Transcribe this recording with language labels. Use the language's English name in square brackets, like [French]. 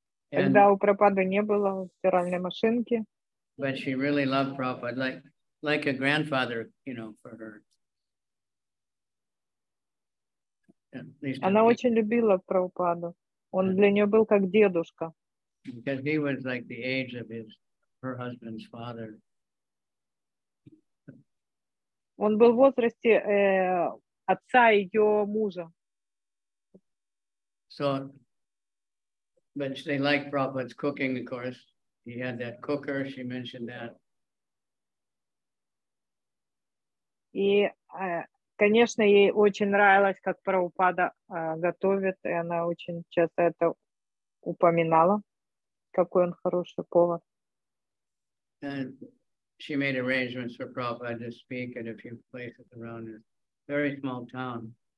[Russian] Тогда у Прабхупады не было стиральной машинки. [English] But she really loved Prabhupada, like a grandfather, you know, for her. [Russian] Она очень любила Прабхупаду. Он для нее был как дедушка. [English] Because he was like the age of his, her husband's father. [Russian] Он был в возрасте отца ее мужа. [English] So, but they liked Prabhupada's cooking, of course. He had that cooker, she mentioned that. [Russian] Конечно, ей очень нравилось, как Прабхупада готовит, и она очень часто это упоминала, какой он хороший повар. [English] And she made arrangements for Prabhupada to speak at a few places around a very small town.